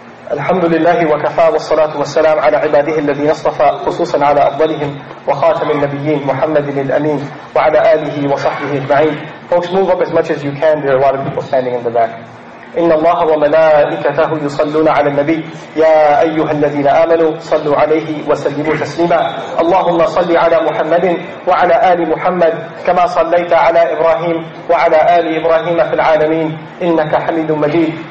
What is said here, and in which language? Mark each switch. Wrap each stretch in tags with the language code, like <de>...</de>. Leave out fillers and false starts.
<ar>الحمد لله وكفى والصلاة والسلام على عباده الذين اصطفى خصوصا على أفضلهم وخاتم النبيين محمد الأمين وعلى آله وصحبه أجمعين.</ar> <en>Folks, move up as much as you can. There are a lot of people standing in the back.</en> <ar>إن الله وملائكته يصلون على النبي يا أيها الذين آمنوا صلوا عليه وسلموا تسليما. اللهم صل على محمد وعلى آل محمد كما صليت على إبراهيم وعلى آل إبراهيم في العالمين إنك حميد مجيد.</ar>